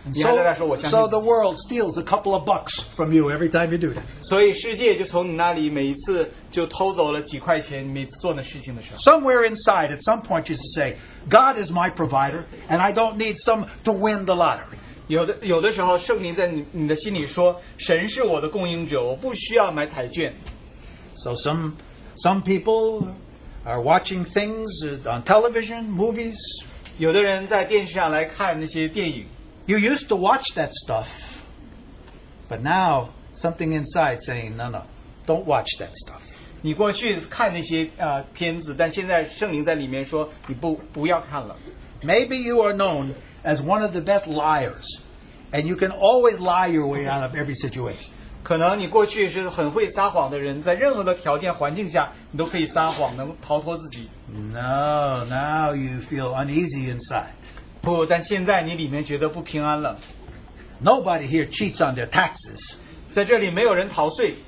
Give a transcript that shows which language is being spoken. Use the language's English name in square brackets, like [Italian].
[English] so the world steals a couple of bucks from you every time you do that. [Chinese] 所以世界就从你那里每一次就偷走了几块钱, 每次做的事情的时候。 [English] Somewhere inside, at some point, you just say, God is my provider, and I don't need some to win the lottery. [Chinese] 有的时候圣灵在你的心里说, 神是我的供应者, 我不需要买彩券。 [English] So some people are watching things on television, movies. [Chinese] 有的人在电视上来看那些电影。 [English] You used to watch that stuff, but now something inside saying, no, no, don't watch that stuff. [Chinese] 你过去看那些片子, 但现在圣灵在里面说, 你不要看了。 [English] Maybe you are known as one of the best liars. And you can always lie your way out of every situation. [Chinese] 可能你过去是很会撒谎的人, 在任何的条件环境下, 你都可以撒谎, 能逃脱自己。 [English] No, now you feel uneasy inside. [Chinese] 不, 但现在你里面觉得不平安了。 [English] Nobody here cheats on their taxes. [Chinese] 在这里没有人逃税。